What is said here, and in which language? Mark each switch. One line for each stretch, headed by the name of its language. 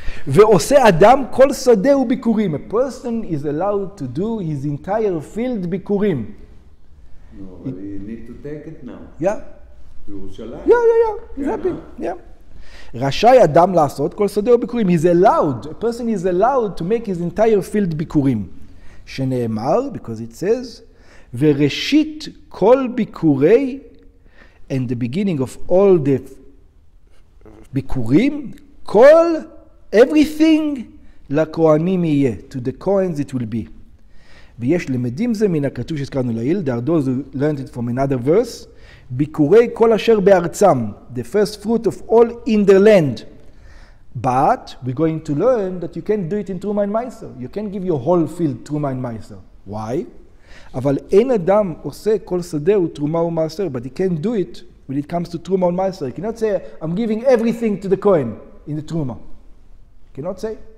Hebrew: ועושה אדם כל שדהו ביקורים.
English: A person is allowed to do his entire field ביקורים. No, but you need to take it now. Yeah. Yerushalayim. Yeah. He's happy. Yeah. He's allowed. A person is allowed to make his entire field bikurim. Sheneemar, because it says,
Hebrew: Vereshit kol bikurei,
English: and the beginning of all the bikurim, kol everything
Hebrew: lakohanim yiyeh.
English: To the Kohens it will be.
Hebrew: V'yesh lemedim ze min hakatuv shehizkarnu la'il.
English: There are those who learned it from another verse.
Hebrew: ביקורי כל אשר בארצם,
English: the first fruit of all in their land. But we're going to learn that you can't do it in Truma and Maaser. You can't give your whole field Truma and Maaser. Why?
Hebrew: אבל אין אדם עושה כל שדהו תרומה ומעשר,
English: but he can't do it when it comes to Truma and Maaser. He cannot say, I'm giving everything to the Kohen in the Truma. cannot say.